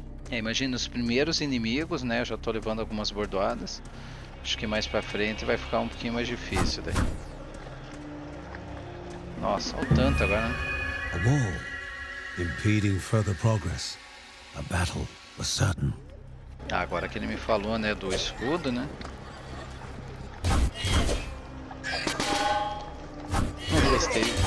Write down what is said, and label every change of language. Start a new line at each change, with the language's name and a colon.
Portuguese: Imagina os primeiros inimigos, né? Eu já tô levando algumas bordoadas. Acho que mais pra frente vai ficar um pouquinho mais difícil daí. Nossa, olha o tanto agora, né?
English: A wall impeding further progress. A battle was certain.
Portuguese: Ah, agora que ele me falou, né, do escudo, né? Não gostei.